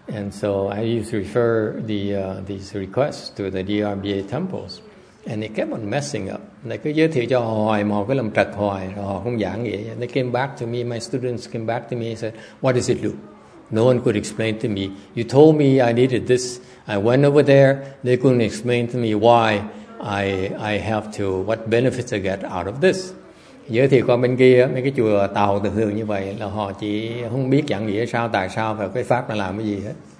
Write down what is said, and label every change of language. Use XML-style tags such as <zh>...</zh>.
<en>So I used to refer these requests to the DRBA temples, and they kept on messing up.</en> <vi>Này cứ giới thiệu cho họ hoài mà họ cứ làm trật hoài, họ không giảng nghĩa.</vi> <en>They came back to me, my students came back to me and said, "What does it do?" No one could explain to me. You told me I needed this. I went over there. They couldn't explain to me why I have to, what benefits I get out of this.</en> <vi>Giới thiệu qua bên kia, mấy cái chùa Tàu thường như vậy là họ chỉ không biết giảng nghĩa sao, tại sao và cái pháp nó làm cái gì hết.</vi>